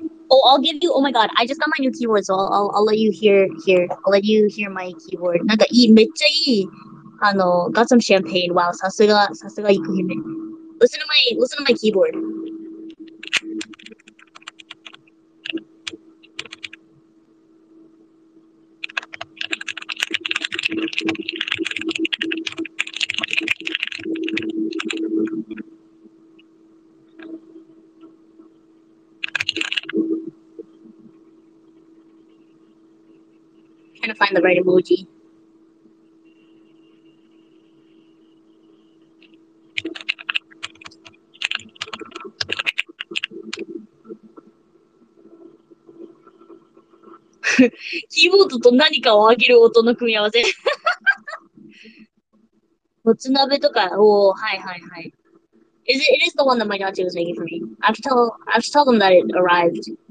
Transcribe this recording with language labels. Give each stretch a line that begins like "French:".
English: Oh, I'll give you. Oh my god, I just got my new keyboard, so I'll let you hear here. I'll let you hear my keyboard.
Japanese: なんかいい、めっちゃいい。
English: あの、got some champagne. Wow,
Japanese: さすが、さすがイクヒメ。
English: Listen to my keyboard. Trying to find the right emoji.
Japanese: キーボードと何かをあげる音の組み合わせ。もつ鍋とか、おお、はいはいはい。
English: It is the one that my auntie was making for me. I have to tell them that it arrived.